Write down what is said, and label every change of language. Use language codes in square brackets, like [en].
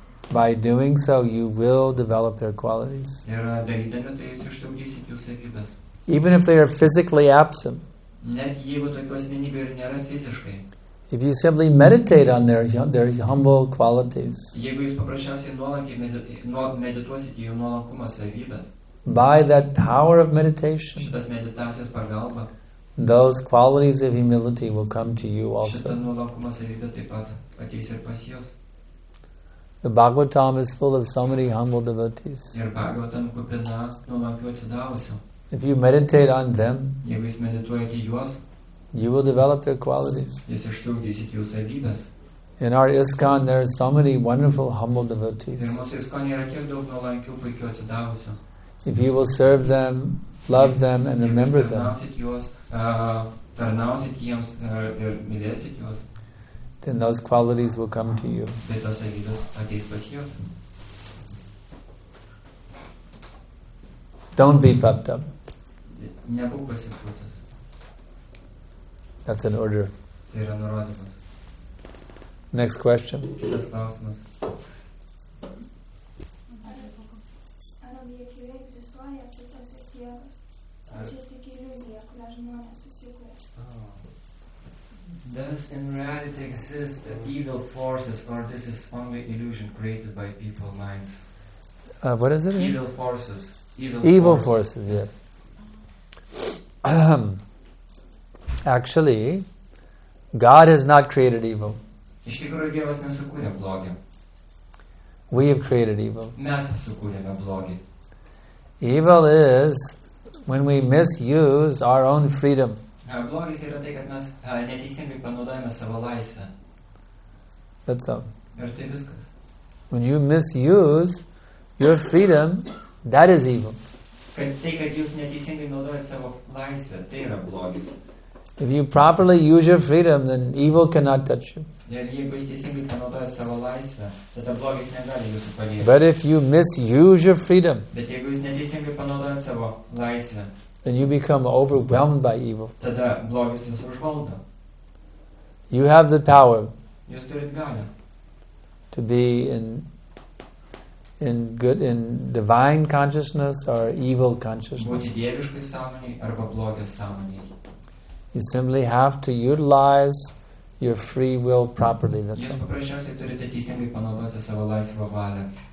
[en] By doing so, you will develop their qualities. Even if they are physically absent, [lt] Net jeigu tokio asmenybė ir nėra fiziškai. [en] If you simply meditate on their humble qualities. [lt] Jeigu jūs paprasčiausiai medituosit jų nuolankumo savybės. [en] By that power of meditation. [lt] Šitas meditacijos pagalba. [en] Those qualities of humility will come to you also. [lt] Šita nuolankumo savybė taip pat ateis ir pas jūs. [en] The Bhagavatam is full of so many humble devotees. [lt] Ir Bhagavatam kupina nuolankių atsidavusių. [en] If you meditate on them, [lt] jeigu jūs medituojate juos, [en] you will develop their qualities. [lt] Jūs išsiugdysit jų savybes. [en] In our ISKCON, there are so many wonderful humble devotees. [lt] Ir mūsų ISKCON yra tiek daug nuolankių puikių atsidavusių. [en] If you will serve them, love them, and remember them, [lt] tarnausit jiems ir mylėsit juos, [en] then those qualities will come to you. [lt] Tai tas savybės ateis pas jūs. [en] Don't be puffed up. [lt] Nebūk pasipūtęs. [en] That's an order. [lt] Tai yra nurodymas. [en] Next question. [lt] Kitas klausimas. Ar objektyviai egzistuoja kitos sielos? Ar čia tik iliuzija, kurią žmonės susikuria? [en] Does in reality exist that evil forces, or this is only illusion created by people's minds? What is it? Evil forces. Evil forces. Actually, God has not created evil. [lt] Iš tikrųjų, Dievas nesukūrė blogį. [en] We have created evil. [lt] Mes sukūrėme blogį. [en] Evil is when we misuse our own freedom. [lt] Blogis yra tai, kad mes neteisingai panaudojame savo laisvę. [en] That's all. [lt] Ir tai viskas. [en] When you misuse your freedom, that is evil. [lt] Tai, kad jūs neteisingai naudojate savo laisvę, tai yra blogis. [en] If you properly use your freedom, then evil cannot touch you. [lt] Jeigu jūs teisingai panaudojate savo laisvę, tada blogis negali jūsų paliesti. [en] But if you misuse your freedom, [lt] bet jeigu jūs neteisingai panaudojate savo laisvę, [en] then you become overwhelmed by evil. [lt] Tada blogis jūs užvaldo. [en] You have the power. [lt] Jūs turite galią. [en] To be in divine consciousness or evil consciousness. [lt] Būti dieviškai sąmonėj arba blogis sąmonėj. [en] You simply have to utilize your free will properly. [lt] Jūs paprasčiausiai turite teisingai panaudoti savo laisvą valią.